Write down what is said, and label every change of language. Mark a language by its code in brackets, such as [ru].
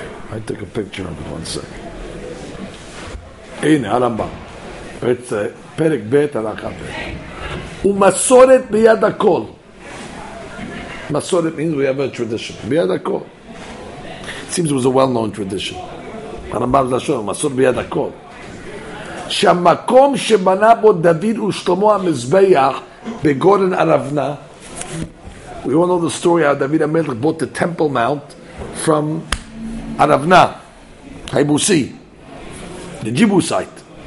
[en] I took a picture of it, one second. In Harambam. [he] It's Perek Bet Halakha Bet. Umasoret biyad hakol. [en] Masoret means we have a tradition. [he] Biyad hakol. [en] Seems it was a well-known tradition. [he] הרמב״ם לשון, מסור ביד הכל. שהמקום שבנה בו דוד ושלמה המזבח בגורן ערבנה. [en] We all know the story how David HaMelech bought the temple mount from ערבנה, [he] היבוסי, [en] the Jebusite.